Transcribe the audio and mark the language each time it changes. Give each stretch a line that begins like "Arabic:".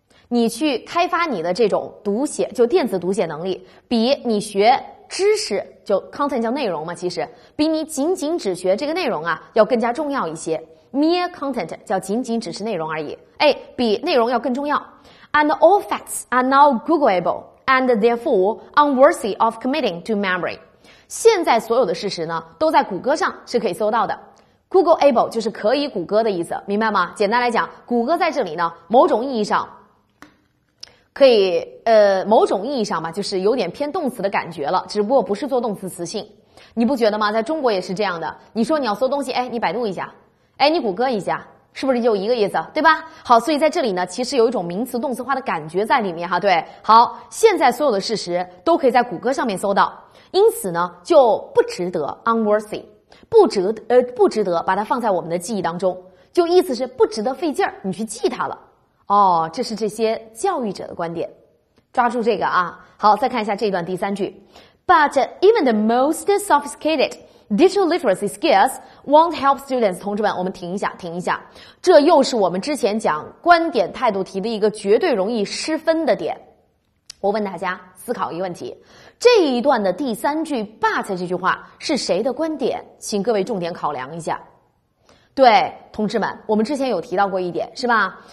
Chinese: 你去开发你的这种读写，就电子读写能力，比你学知识，就 content 叫内容嘛，其实比你仅仅只学这个内容啊要更加重要一些。 mere content 叫仅仅只是内容而已，哎，比内容要更重要。
English: and all facts are now googleable and therefore unworthy of committing to memory。
Chinese: 现在所有的事实呢都在谷歌上是可以搜到的， Google able 就是可以谷歌的意思，明白吗？简单来讲，谷歌在这里呢某种意义上可以某种意义上嘛，就是有点偏动词的感觉了，只不过不是做动词词性。你不觉得吗？在中国也是这样的，你说你要搜东西，哎，你百度一下，哎，你谷歌一下，是不是就一个意思，对吧？好，所以在这里呢其实有一种名词动词化的感觉在里面哈。对，好，现在所有的事实都可以在谷歌上面搜到，因此呢就不值得 unworthy， 不值得把它放在我们的记忆当中，就意思是不值得费劲儿你去记它了。哦，这是这些教育者的观点，抓住这个啊。好，再看一下这一段第三句。
English: But even the most sophisticated Digital literacy skills won't help students.
Chinese: 同志们，我们停一下，停一下。这又是我们之前讲观点态度题的一个绝对容易失分的点。我问大家思考一个问题，这一段的第三句 but 这句话是谁的观点？请各位重点考量一下。对，同志们，我们之前有提到过一点，是吧？